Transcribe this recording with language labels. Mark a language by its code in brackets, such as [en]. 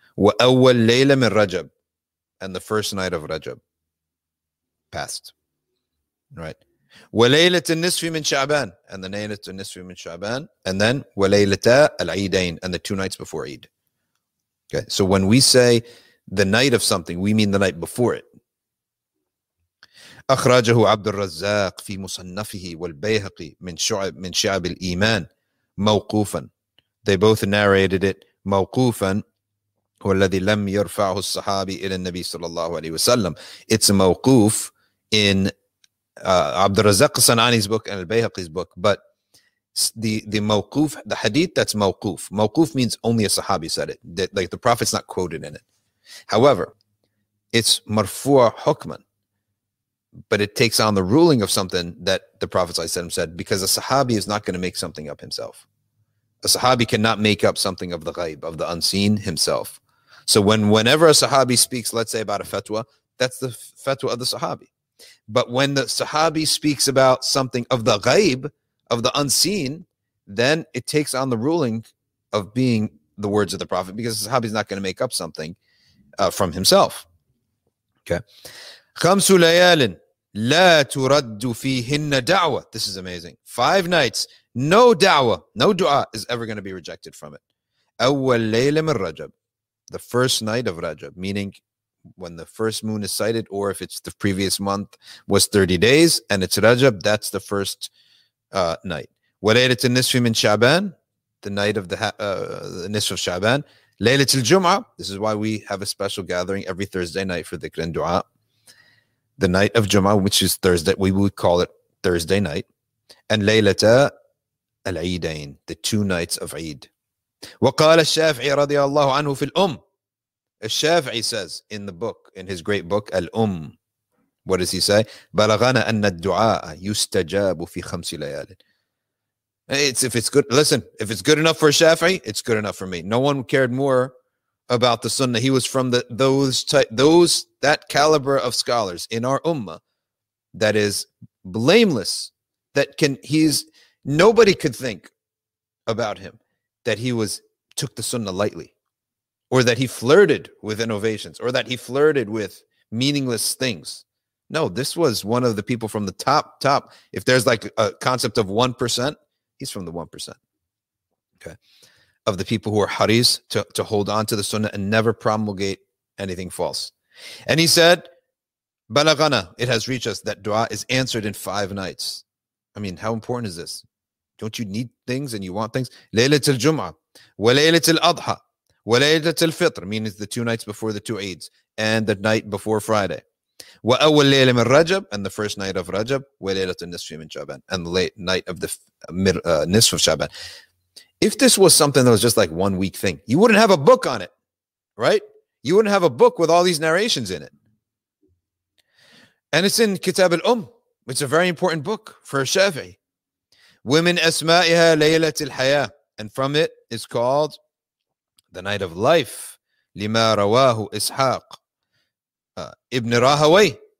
[ar] Wa awwal layla min Rajab, [en] and the first night of Rajab passed. Right. [ar] Wa laylat al-Nisfi min Sha'ban, [en] and the laylat al-Nisfi min Sha'ban, and then [ar] wa laylata al-Eidain, [en] and the two nights before Eid. Okay, so when we say the night of something, we mean the night before it. [ar] أخرجه عبد الرزاق في مصنفه والبيهقي من شعب الإيمان موقوفا. [en] They both narrated it [ar] موقوفا والذي لم يرفعه الصحابي إلى النبي صلى الله عليه وسلم. [en] It's a موقوف in عبد الرزاق الصنعاني's book and البيهقي's book. But the موقوف, the hadith that's موقوف. موقوف means only a صحابي said it. Like the Prophet's not quoted in it. However, it's مرفوع حكما. But it takes on the ruling of something that the Prophet ﷺ said, because a sahabi is not going to make something up himself. A sahabi cannot make up something of the ghaib, of the unseen, himself. So whenever a sahabi speaks, let's say about a fatwa, that's the fatwa of the sahabi. But when the sahabi speaks about something of the ghaib, of the unseen, then it takes on the ruling of being the words of the Prophet, because a sahabi is not going to make up something from himself. Okay. [ar] خمس ليال لا ترد فيهن دعوة. [en] This is amazing. Five nights, no دعوة, no dua is ever going to be rejected from it. [ar] أول ليلة من رجب, [en] the first night of رجب, meaning when the first moon is sighted, or if it's the previous month was 30 days and it's رجب, that's the first night. [ar] وليلة النصف من شعبان, [en] the night of the نصف of شعبان. [ar] ليلة الجمعة, [en] this is why we have a special gathering every Thursday night for ذكر الدعاء. The night of Jum'ah, which is Thursday, we would call it Thursday night. And Laylata al-Eidain, the two nights of Eid. [ar] وقال الشافعي رضي الله عنه في الأم. [en] الشافعي says in the book, in his great book, Al-Um. What does he say? [ar] بلغنا أن الدعاء يستجاب في خمس ليال. [en] It's, if it's good, listen, if it's good enough for a Shafi'i, it's good enough for me. No one cared more about the sunnah. He was from that caliber of scholars in our ummah that is blameless, nobody could think about him that he was took the sunnah lightly, or that he flirted with innovations, or that he flirted with meaningless things. No, this was one of the people from the top. If there's like a concept of 1%, he's from the 1%. Okay. Of the people who are haris to hold on to the sunnah and never promulgate anything false. And he said, balaghana, it has reached us that dua is answered in five nights. I mean, how important is this? Don't you need things and you want things? [ar] Laylatul Jum'ah, wa laylatul Adha, وليلة الفطر [en] means the two nights before the two Eids and the night before Friday. [ar] وأول ليلة من رجب [en] and the first night of رجب [ar] وليلة النصف من شعبان [en] and the late night of the نصف of شعبان. If this was something that was just like 1 week thing, you wouldn't have a book on it, right? You wouldn't have a book with all these narrations in it. And it's in Kitab al-Umm. It's a very important book for a Shafi'i. [ar] Women أسمائها ليلة الحياة. [en] And from it is called the night of life. [ar] لما رواه إسحاق ابن راهوي.